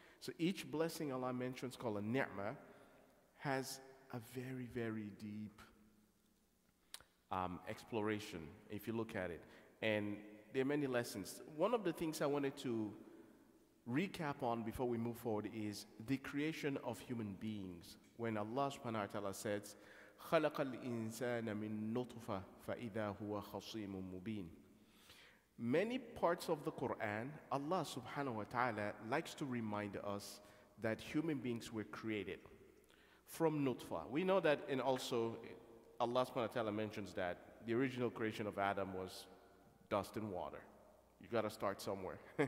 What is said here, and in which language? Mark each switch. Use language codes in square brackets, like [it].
[en] So each blessing Allah mentions called a ni'mah has a very, very deep exploration if you look at it. And there are many lessons. One of the things I wanted to recap on before we move forward is the creation of human beings. When Allah subhanahu wa ta'ala says, [ar] خَلَقَ الْإِنسَانَ مِن نُطْفَةٍ فَإِذَا هُوَ خَصِيمٌ مُبِينٌ. [en] Many parts of the Quran, Allah subhanahu wa ta'ala likes to remind us that human beings were created from nutfah. We know that, and also Allah subhanahu wa ta'ala mentions that the original creation of Adam was dust and water. You got to start somewhere.